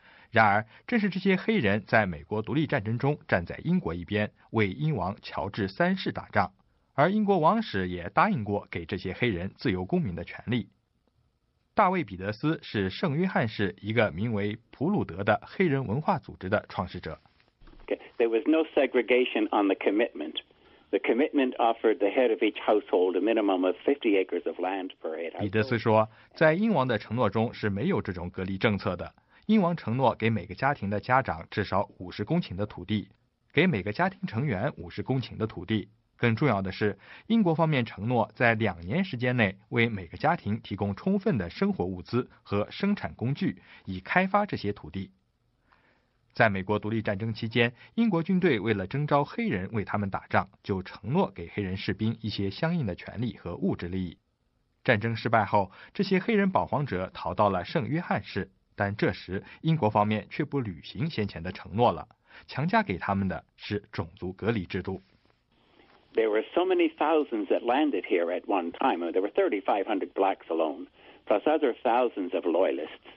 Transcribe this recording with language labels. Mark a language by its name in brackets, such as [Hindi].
[Chinese] 然而，正是这些黑人在美国独立战争中站在英国一边，为英王乔治三世打仗，而英国王室也答应过给这些黑人自由公民的权利。大卫·彼得斯是圣约翰市一个名为普鲁德的黑人文化组织的创始者。 [English] There was no segregation on the commitment. The commitment offered the head of each household a minimum of 50 acres of land per head. [Chinese] 彼得斯说，在英王的承诺中是没有这种隔离政策的。英王承诺给每个家庭的家长至少50公顷的土地，给每个家庭成员50公顷的土地。更重要的是，英国方面承诺在2年时间内为每个家庭提供充分的生活物资和生产工具，以开发这些土地。在美国独立战争期间，英国军队为了征召黑人为他们打仗，就承诺给黑人士兵一些相应的权利和物质利益。战争失败后，这些黑人保皇者逃到了圣约翰市，但这时英国方面却不履行先前的承诺了，强加给他们的是种族隔离制度。 [English] There were so many thousands that landed here at one time. There were 3,500 blacks alone, plus other thousands of loyalists.